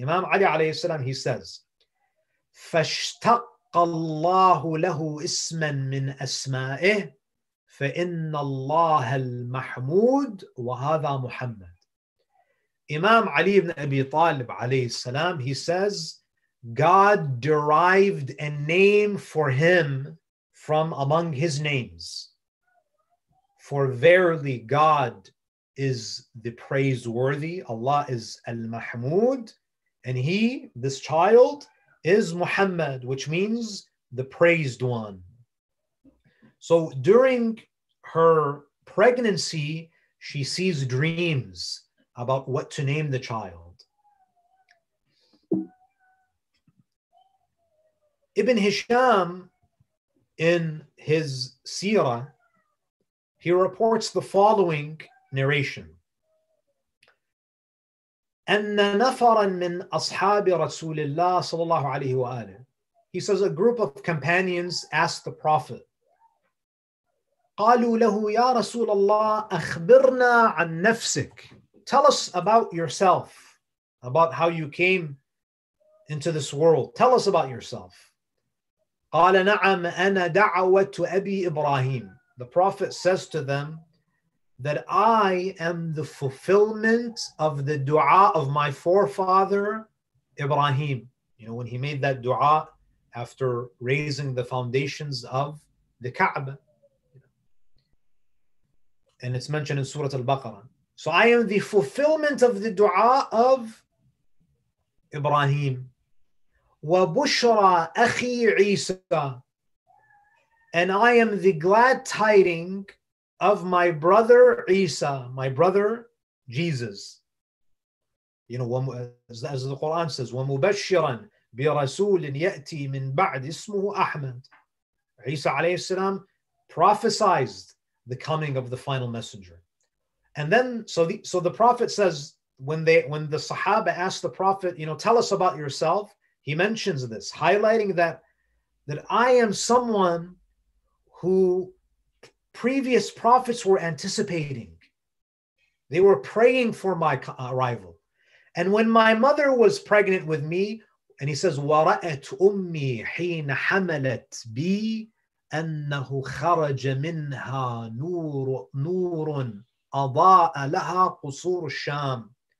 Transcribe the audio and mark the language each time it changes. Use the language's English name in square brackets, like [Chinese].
[Arabic] Imam Ali عليه السلام, [English] he says, [Arabic] فاشتق الله له اسما من أسمائه فإن الله المحمود وهذا محمد. [English] Imam Ali ibn Abi Talib [Arabic] عليه السلام, [English] he says, God derived a name for him from among his names. For verily God is the praiseworthy. Allah is Al-Mahmud. And he, this child, is Muhammad, which means the praised one. So during her pregnancy, she sees dreams about what to name the child. Ibn Hisham, in his seerah, he reports the following narration. [Arabic] أن نفرا من أصحاب رسول الله صلى الله عليه وآله. [English] He says a group of companions asked the Prophet. [Arabic] قالوا له يا رسول الله أخبرنا عن نفسك. [English] Tell us about yourself, about how you came into this world. Tell us about yourself. [Arabic] قال نعم أنا دعوة أبي إبراهيم. [English] The Prophet says to them that I am the fulfillment of the dua of my forefather Ibrahim. You know, when he made that dua after raising the foundations of the Kaaba. And it's mentioned in Surah Al-Baqarah. So I am the fulfillment of the dua of Ibrahim. [Arabic] وَبُشْرَى أَخِي عِيسَى. [English] And I am the glad tiding of my brother Isa, my brother Jesus. You know, as the Quran says, [Arabic] وَمُبَشِّرًا بِرَسُولٍ يَأْتِي مِنْ بَعْدِ اسْمُهُ أَحْمَدٍ. [English] Isa alayhi salam prophesized the coming of the final messenger. And then, so the Prophet says, when the Sahaba asked the Prophet, you know, tell us about yourself, he mentions this, highlighting that I am someone who previous prophets were anticipating. They were praying for my arrival. And when my mother was pregnant with me, and he says, [Arabic] وَرَأَتْ أُمِّي حِينَ حَمَلَتْ بِي أَنَّهُ خَرَجَ مِنْهَا نُورٌ أَضَاءَ لَهَا قُصُورُ الشَّامِ.